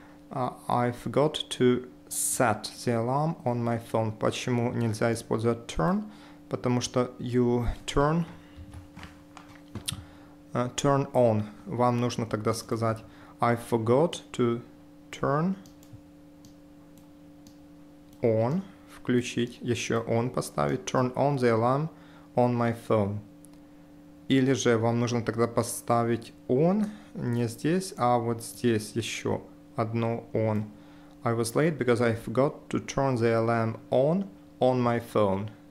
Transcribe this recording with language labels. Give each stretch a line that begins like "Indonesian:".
English: I forgot to set the alarm on my phone.
Russian: Почему нельзя использовать turn? Потому что
English: you turn... turn on.
Russian: Вам нужно тогда сказать
English: I forgot to turn on,
Russian: включить, еще
English: on
Russian: поставить,
English: turn on the alarm on my phone.
Russian: Или же вам нужно тогда поставить on не здесь, а вот здесь еще одно on.
English: I was late because I forgot to turn the alarm on my phone.